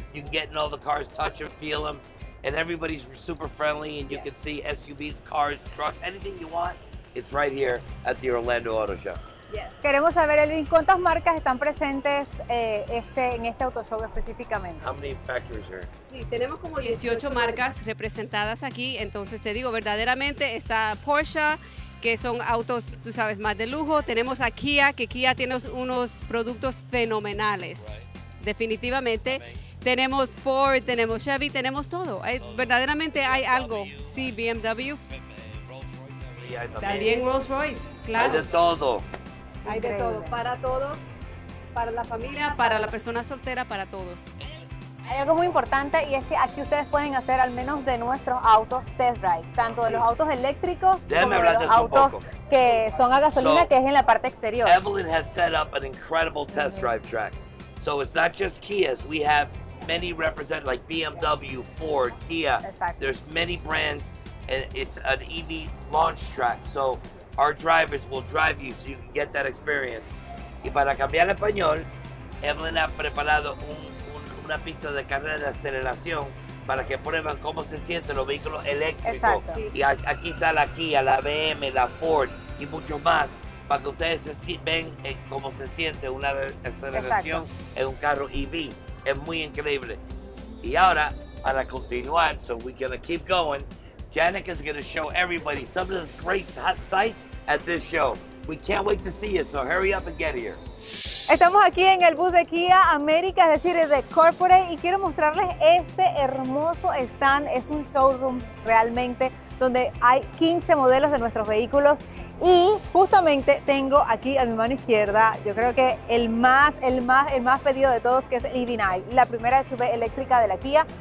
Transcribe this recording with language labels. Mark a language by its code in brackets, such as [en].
[en] You can get in all the cars, touch them, feel them, and everybody's super friendly, and you can see SUVs, cars, trucks, anything you want. It's right here at the Orlando Auto Show. [es] Queremos saber, Elvin, ¿cuántas marcas están presentes en este Auto Show específicamente? [en] How many factories are? [es] Sí, tenemos como 18 marcas representadas aquí. Entonces te digo, verdaderamente está Porsche, que son autos, tú sabes, más de lujo. Tenemos a Kia, que Kia tiene unos productos fenomenales. Definitivamente. Tenemos Ford, tenemos Chevy, tenemos todo. Verdaderamente hay algo. Sí, BMW. También Rolls Royce, claro. Hay de todo, para todos, para la familia, para la persona soltera, para todos. Hay algo muy importante y es que aquí ustedes pueden hacer al menos de nuestros autos test drive, tanto de los autos eléctricos como de los autos que son a gasolina, que es en la parte exterior. [en] Evelyn has set up an incredible test drive track. So it's not just Kias, we have many represent like BMW, Ford, Kia. There's many brands. And it's an EV launch track, so our drivers will drive you so you can get that experience. [es] Y para cambiar el español, Evelyn ha preparado una pista de carrera de aceleración para que prueben cómo se sienten los vehículos eléctricos. Y aquí está la Kia, la BM, la Ford y mucho más, para que ustedes vean cómo se siente una aceleración en un carro EV. Es muy increíble. Y ahora, para continuar, [en] so we're gonna keep going, Janica is going to show everybody some of those great hot sights at this show. We can't wait to see you, so hurry up and get here. [es] Estamos aquí en el bus de Kia América, es decir, de Corporate, y quiero mostrarles este hermoso stand. Es un showroom realmente donde hay 15 modelos de nuestros vehículos. Y justamente tengo aquí a mi mano izquierda, yo creo que el más pedido de todos, que es el EV9, la primera SUV eléctrica de la Kia.